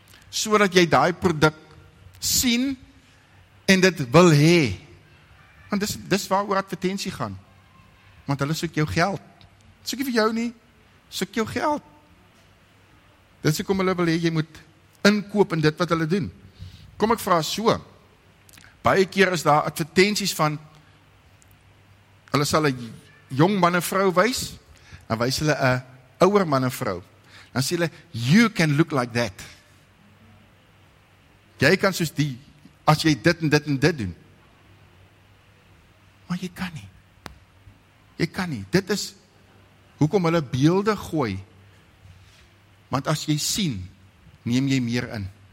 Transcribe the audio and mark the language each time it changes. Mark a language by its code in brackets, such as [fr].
[af] Sodat jy daai produk sien en dit wil hê. Want dis waaroor advertensie gaan. Want hulle soek jou geld. Soek nie vir jou nie, soek jou geld. Dit is hoekom hulle wil hê jy moet inkoop in dit wat hulle doen. Kom ek vraag so, baie keer is daar advertenties van, hulle sal een jong man en vrou wys, dan wys hulle een ouer man en vrou. Dan sê hulle, [en] you can look like that. [af] Jy kan soos die, as jy dit en dit en dit doen. Maar jy kan nie. Jy kan nie. Dit is hoekom hulle beelde gooi, want as jy sien, neem jy meer in.